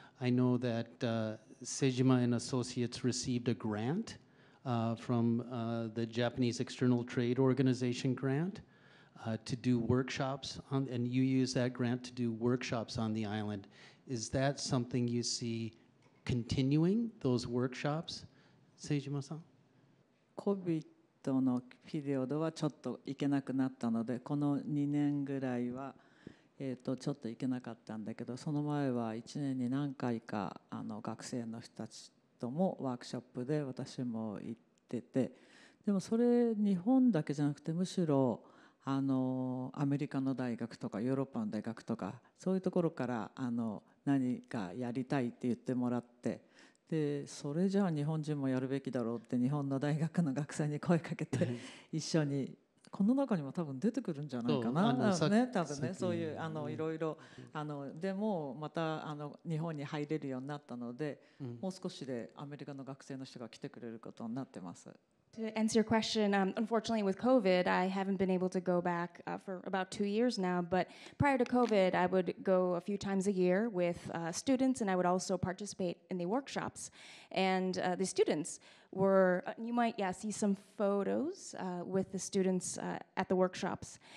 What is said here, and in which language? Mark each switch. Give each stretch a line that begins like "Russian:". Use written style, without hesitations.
English: I know that Sejima and Associates received a grant from the Japanese External Trade Organization grant to do workshops on, and you use that grant to do workshops on the island. Is that something you see continuing, those workshops, Sejima-san?
Japanese: COVID の
English: period
Japanese: はちょっと行けなくなったので、この2年ぐらいはちょっと行けなかったんだけど、その前は1年に何回か学生の人たちともワークショップで私も行ってて、でもそれ日本だけじゃなくて、むしろアメリカの大学とかヨーロッパの大学とかそういうところから何かやりたいって言ってもらって、でそれじゃあ日本人もやるべきだろうって日本の大学の学生に声かけて一緒にこの中にも多分出てくるんじゃないかな、ね、多分ね、そういういろいろでもまた日本に入れるようになったので、うん、もう少しでアメリカの学生の人が来てくれることになってます。
English: To answer your question, unfortunately with COVID I haven't been able to go back for about 2 years now, but prior to COVID I would go a few times a year with students and I would also participate in the workshops and the studentsWere, you might see some photos with the students at the workshops.